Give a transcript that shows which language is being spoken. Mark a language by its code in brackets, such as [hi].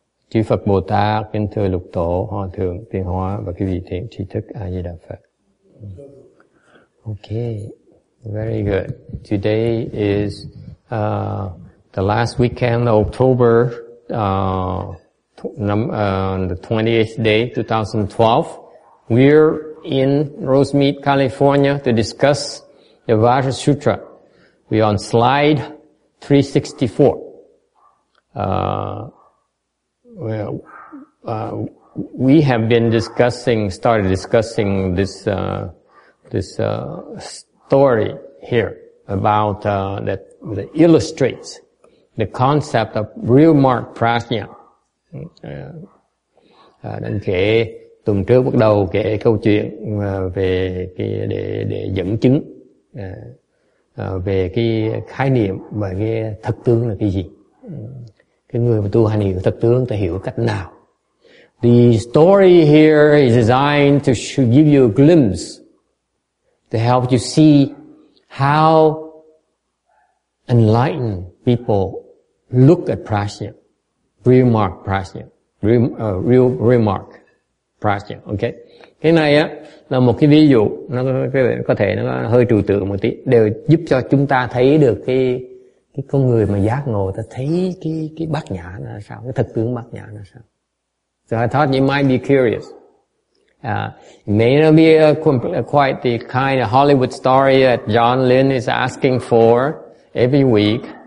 [vi] Jufak Bồ Tát, Kinh Thư Lục Tổ, Hoa Thượng, Tiên Hóa, và quý vị thiện trí thức, A Di Đà Phật. [en] Okay, very good. Today is, the last weekend of October, the 28th day, 2012. We're in Rosemead, California to discuss the Vajra Sutra. We're on slide 364. We have been started discussing this story here about, that illustrates the concept of real mark prajna. [vi] Nên kể tuần trước bắt đầu kể câu chuyện về cái để dẫn chứng về cái khái niệm và cái thật tướng là cái gì. Cái người mà tu hành hiểu thật tướng ta hiểu cách nào. [en] The story here is designed to give you a glimpse to help you see how enlightened people look at prajna. Remark prajna, remark prajna, okay. [vi] Cái này á là một cái ví dụ, nó có thể nó hơi trừu tượng một tí, đều giúp cho chúng ta thấy được cái con người mà giác ngộ ta thấy cái bát nhã là sao, cái thực tướng bát nhã là sao. [en] So I thought you might be curious. May not be quite the kind of Hollywood story that John Lynn is asking for every week.